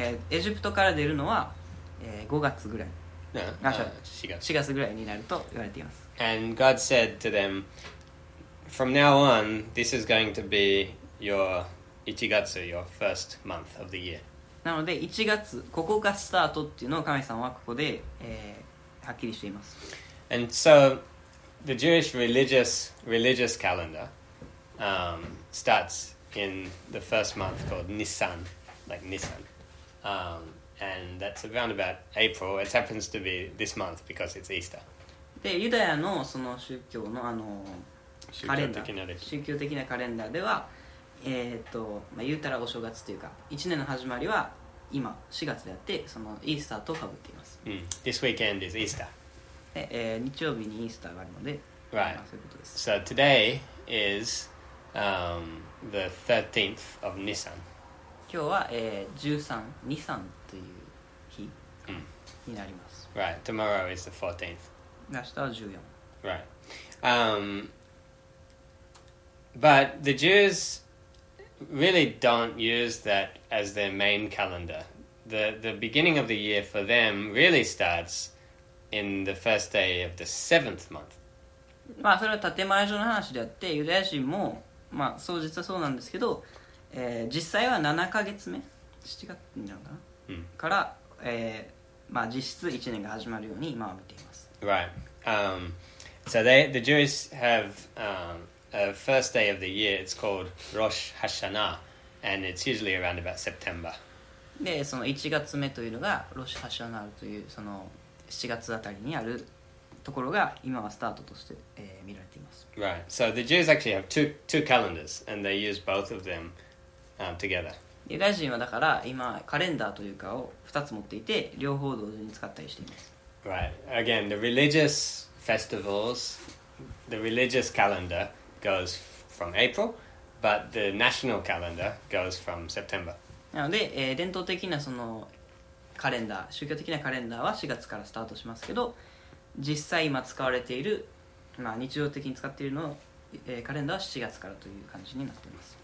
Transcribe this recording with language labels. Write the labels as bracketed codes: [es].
[ja] エジプトから出るのは、5月ぐらい。 4 月ぐらいになると言われています。 [en] And God said to them, from now on, this is going to be your 1月, your first month of the year. [ja] なので1月、ここがスタートっていうのを神様はここで、はっきりしています。 [en] And so the Jewish religious calendar starts in the first month called Nisan, like Nisan. And that's around about April. It happens to be this month because it's Easter. [ja] で、ユダヤのその宗教のあのカレンダー、宗教的なカレンダーでは、まあ、言うたらお正月というか、一年の始まりは今、4月であって、そのイースターとかぶっています。 [en] Mm. This weekend is Easter. [ja] 日曜日にイースターがあるので、 [en] right. [ja] まあ、そういうことです。 [en] So today is the 13th of Nisan. [ja] 今日は、13、ニサンという日になります。 [en] Mm. Right, tomorrow is the 14th. [ja] 明日は14。 [en] Right. But the Jews really don't use that as their main calendar. The beginning of the year for them really starts in the first day of the seventh month. [ja] まあそれは建前上の話であって、ユダヤ人もまあそう実はそうなんですけど、実際は7ヶ月目、7月になるのかな、 mm. から、まあ実質1年が始まるように今は見ています。 [en] Right. So the Jews have first day of the year, it's called Rosh Hashanah, and it's usually around about September. [ja] で、その1月目というのが Rosh Hashanah というその7月あたりにあるところが今はスタートとして、見られています。 [en] Right. So the Jews actually have two calendars, and they use both of them together. [ja] ユダヤ人はだから今カレンダーというかを2つ持っていて、両方同時に使ったりしています。 [en] Right. Again, the religious festivals, the religious calendar goes from April, but the national calendar goes from September. [ja] なので、伝統的なそのカレンダー、宗教的なカレンダーは4月からスタートしますけど、実際今使われている、まあ、日常的に使っているの、カレンダーは7月からという感じになっています。